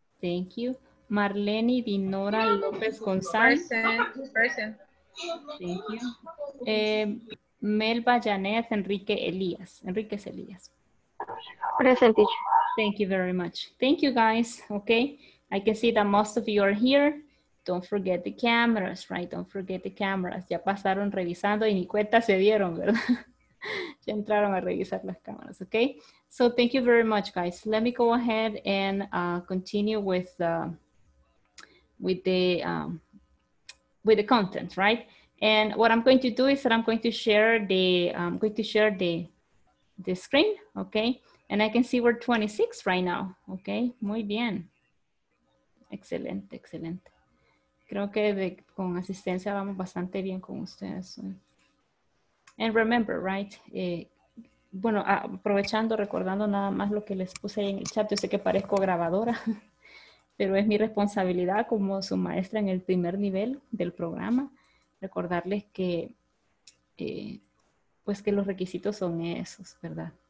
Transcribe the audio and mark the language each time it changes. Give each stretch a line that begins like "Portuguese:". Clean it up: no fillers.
English: Thank you. Marlene Dinora López González. Present. Thank you. Melba Janeth Enrique Elías. Enriquez Elías. Present. Thank you very much. Thank you, guys. Okay. I can see that most of you are here. Don't forget the cameras, right? Don't forget the cameras.
Spanish: Ya pasaron revisando y ni cuenta se dieron, ¿verdad? Ya entraron a revisar las cámaras, okay?
English: So thank you very much, guys. Let me go ahead and continue with the content, right? And what I'm going to do is that I'm going to share the screen, okay? And I can see we're 26 right now, okay?
Spanish: Muy bien. Excelente, excelente. Creo que con asistencia vamos bastante bien con ustedes.
English: And remember, right?
Spanish: Bueno, aprovechando, recordando nada más lo que les puse ahí en el chat, yo sé que parezco grabadora, pero es mi responsabilidad como su maestra en el primer nivel del programa, recordarles que, pues que los requisitos son esos, ¿verdad?